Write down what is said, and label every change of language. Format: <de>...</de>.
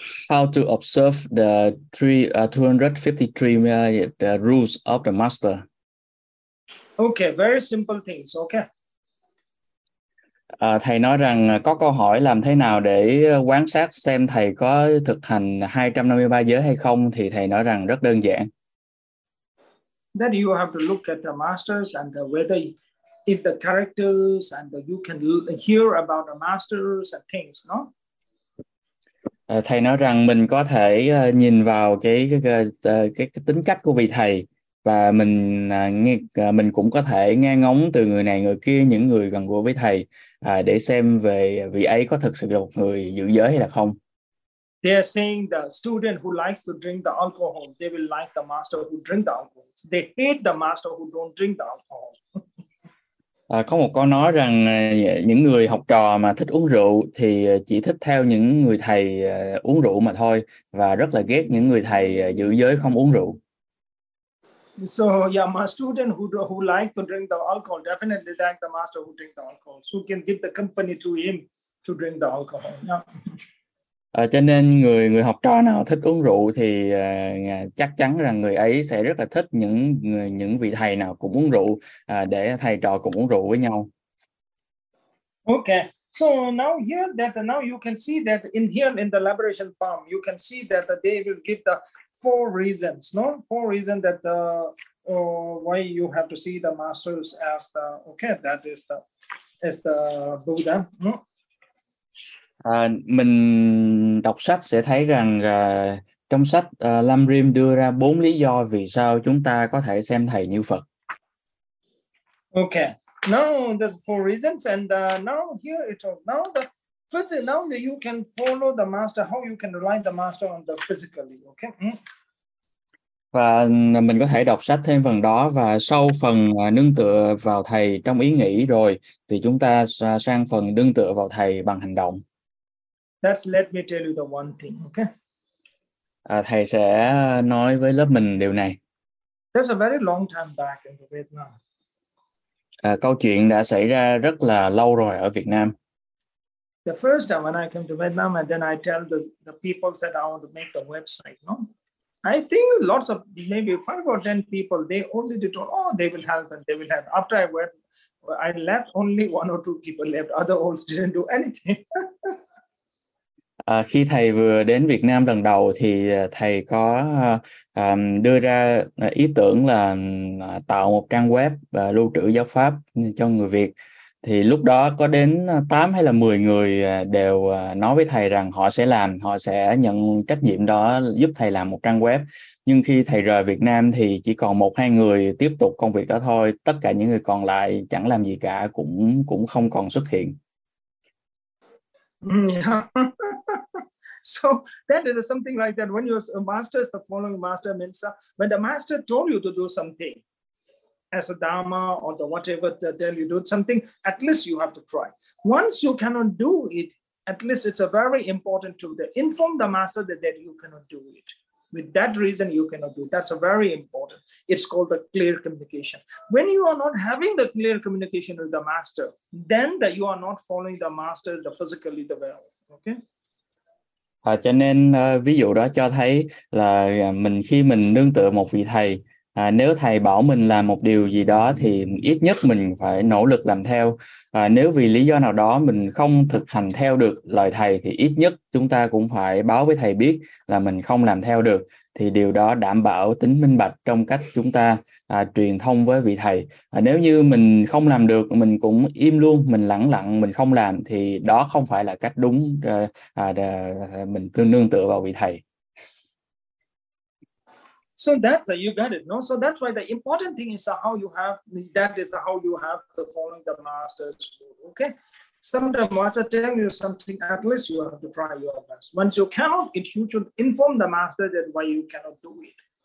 <en>How to observe the 253 rules of the master? Okay, very simple things. Okay.</en> <vi>Thầy nói rằng có câu hỏi làm thế nào để quan sát xem thầy có thực hành 253 giới hay không, thì thầy nói rằng rất đơn giản.</vi> <en>Then you have to look at the masters and whether if the characters and you can hear about the masters and things, no?</en> <vi>Thầy nói rằng mình có thể nhìn vào cái tính cách của vị thầy và mình cũng có thể nghe ngóng từ người này người kia, những người gần gũi với thầy, để xem về vị ấy có thực sự là một người giữ giới hay là không.</vi> <en>They are saying the student who likes to drink the alcohol, they will like the master who drink the alcohol. They hate the master who don't drink the alcohol.</en> <vi>Có một câu nói rằng những người học trò mà thích uống rượu thì chỉ thích theo những người thầy uống rượu mà thôi, và rất là ghét những người thầy giữ giới không uống rượu.</vi> <en>So yeah, my student who like to drink the alcohol definitely like the master who drink the alcohol, so can give the company to him to drink the alcohol. Yeah.</en> <vi>Cho nên người học trò nào thích uống rượu thì chắc chắn rằng người ấy sẽ rất là thích những vị thầy nào cũng uống rượu, để thầy trò cùng uống rượu với nhau.</vi> <en>Okay, so now here that now you can see that in here in the liberation palm, you can see that they will give the four reasons, no? Four reasons that why you have to see the masters as the, okay, that is the Buddha, no?</en> <vi>Mình đọc sách sẽ thấy rằng trong sách Lam Rim đưa ra bốn lý do vì sao chúng ta có thể xem thầy như Phật.</vi> <en>Okay. Now there's four reasons and now here it's all. Now the first is now that you can follow the master, how you can rely the master on the physically, okay?</en> <vi>Và mình có thể đọc sách thêm phần đó, và sau phần nương tựa vào thầy trong ý nghĩ rồi thì chúng ta sang phần nương tựa vào thầy bằng hành động.</vi> <en>That's let me tell you the one thing, okay?</en> <vi>Thầy sẽ nói với lớp mình điều này.</vi> <en>That's a very long time back in Vietnam.</en> <vi>Câu chuyện đã xảy ra rất là lâu rồi ở Việt Nam.</vi> <en>The first time when I came to Vietnam and then I tell the people that I want to make the website, no? I think lots of maybe 5 or 10 people, they only did all, oh, they will help and they will help. After I went, I left, only 1 or 2 people left. Other olds didn't do anything.</en> <vi>Khi thầy vừa đến Việt Nam lần đầu thì thầy có đưa ra ý tưởng là tạo một trang web và lưu trữ giáo pháp cho người Việt. Thì lúc đó có đến 8 hay là 10 người đều nói với thầy rằng họ sẽ làm, họ sẽ nhận trách nhiệm đó giúp thầy làm một trang web. Nhưng khi thầy rời Việt Nam thì chỉ còn 1-2 người tiếp tục công việc đó thôi. Tất cả những người còn lại chẳng làm gì cả, cũng không còn xuất hiện.</vi> <en>Yeah. So that is something like that. When your master is the following master, means when the master told you to do something as a dharma or the whatever, tell you do something, at least you have to try. Once you cannot do it, at least it's a very important to inform the master that you cannot do it. With that reason, you cannot do it. That's a very important. It's called the clear communication. When you are not having the clear communication with the master, then that you are not following the master the physically the well. Okay.</en> <vi>Cho nên ví dụ đó cho thấy là mình khi mình nương tựa một vị thầy, nếu thầy bảo mình làm một điều gì đó thì ít nhất mình phải nỗ lực làm theo. Nếu vì lý do nào đó mình không thực hành theo được lời thầy thì ít nhất chúng ta cũng phải báo với thầy biết là mình không làm theo được. Thì điều đó đảm bảo tính minh bạch trong cách chúng ta truyền thông với vị thầy. Nếu như mình không làm được, mình cũng im luôn, mình lẳng lặng, mình không làm, thì đó không phải là cách đúng mình tương nương tựa vào vị thầy.</vi> <en>So that's you got it, no? So that's why the important thing is how you have, that is how you have to follow the master's rule, okay? Sometimes master tell you something, at least you have to try your best. Once you cannot, you should inform the master that why you cannot do it.</en>